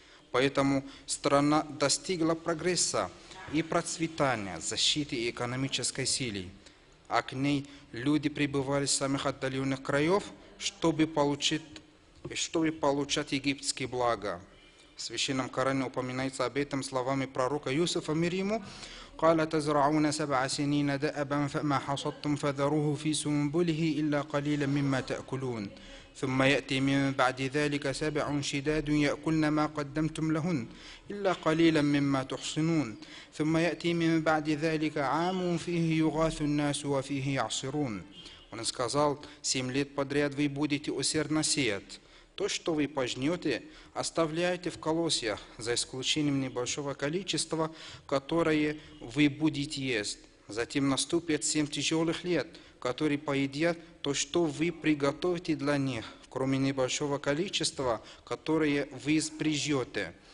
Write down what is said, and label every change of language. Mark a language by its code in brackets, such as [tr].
[ru] Поэтому страна достигла прогресса и процветания, защиты и экономической силы, а к ней люди прибывали с самых отдаленных краев, чтобы получать египетские блага. В Священном Коране упоминается об этом словами пророка Юсефа, мир ему: [ar] قال تزرعون سبع سنين دأبا فما حصدتم فذروه في سنبله إلا قليلا مما تأكلون ثم يأتي من بعد ذلك سبع شداد يأكلن ما قدمتم لهن إلا قليلا مما تحصنون ثم يأتي من بعد ذلك عام فيه يغاث الناس وفيه يعصرون. [ru] Он сказал: семь лет подряд вы будете усердно сеять. То, что вы пожнете, оставляете в колосьях, за исключением небольшого количества, которое вы будете есть. Затем наступят семь тяжелых лет, которые поедят то, что вы приготовите для них, кроме небольшого количества, которое вы спряжете.